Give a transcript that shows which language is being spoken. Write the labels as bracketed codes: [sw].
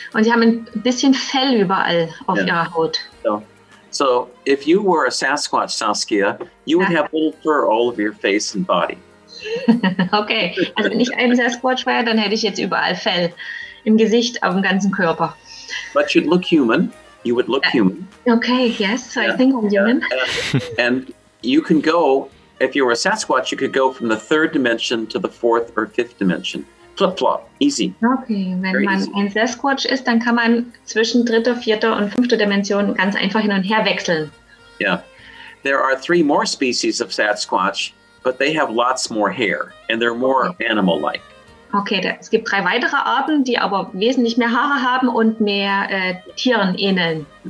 [de] Und sie haben ein bisschen Fell überall auf ihrer Haut. [en] So, if you were a Sasquatch, Saskia, you would have little fur all over your face and body. [de] Okay, also wenn ich ein Sasquatch wäre, dann hätte ich jetzt überall Fell im Gesicht, auf dem ganzen Körper. [en] But you'd look human. You would look human. Okay, yes, so I think I'm human. And you can go, if you were a Sasquatch, you could go from the third dimension to the fourth or fifth dimension. Flip-flop, easy. [de] Okay, wenn Very man easy. Ein Sasquatch ist, dann kann man zwischen dritter, vierter und fünfter Dimension ganz einfach hin und her wechseln. [en] Yeah, there are three more species of Sasquatch, but they have lots more hair and they're more animal-like. [de] Okay, es gibt drei weitere Arten, die aber wesentlich mehr Haare haben und mehr Tieren ähneln.